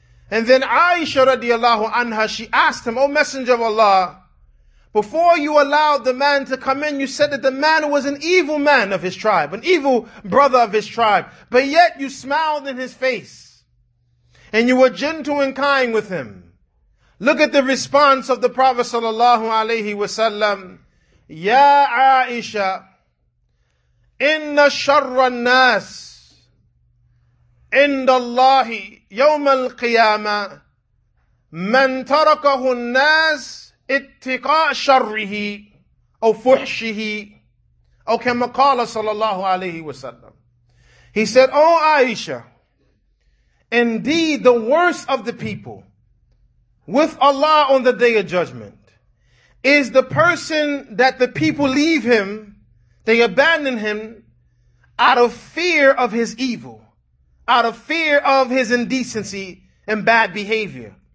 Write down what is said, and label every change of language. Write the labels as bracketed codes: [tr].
[en] And then Aisha radiallahu anha, she asked him, O Messenger of Allah, before you allowed the man to come in, you said that the man was an evil man of his tribe, an evil brother of his tribe, but yet you smiled in his face, and you were gentle and kind with him. Look at the response of the Prophet sallallahu alayhi wasallam. [ar] Ya Aisha, إِنَّ شَرَّ النَّاسِ عِنْدَ اللَّهِ يَوْمَ الْقِيَامَةِ مَنْ تَرَكَهُ النَّاسِ اتقاء شره أو فحشه أو كما قال صلى الله عليه وسلم. [en] He said, Oh Aisha, indeed the worst of the people with Allah on the day of judgment is the person that the people leave him, they abandon him out of fear of his evil, out of fear of his indecency and bad behavior.